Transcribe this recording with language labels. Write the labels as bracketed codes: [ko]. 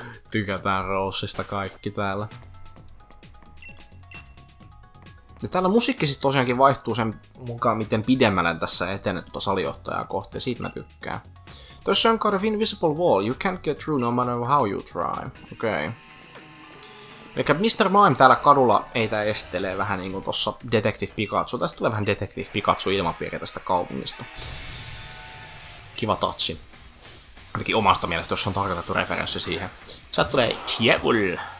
[fi] Tykätään Roseista kaikki täällä. Ja täällä musiikki sitten tosiaankin vaihtuu sen mukaan, miten pidemmälle tässä etenet tuota salijohtajaa kohti, ja siitä mä tykkään. [en] There's some kind of invisible wall, you can't get through no matter how you try. [fi] Okei. Okay. Eli Mr. Mime täällä kadulla meitä estelee vähän niinku tossa Detective Pikachu. Tästä tulee vähän Detective Pikachu ilmapiiri tästä kaupungista. Kiva touchi. Ainakin omasta mielestä, jos on tarkoitettu referenssi siihen. Sieltä tulee Tjevul.